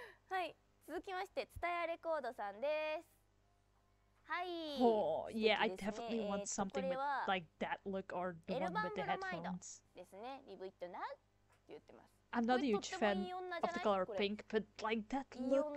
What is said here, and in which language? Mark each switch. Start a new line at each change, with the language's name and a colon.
Japanese: はい、続きましてツタヤレコードさんです。
English: Yeah, I definitely want something with like that look or the one with the headphones.
Japanese: ですね、リブイットなって言ってます。
English: I'm not a huge fan of the color pink, but like that look.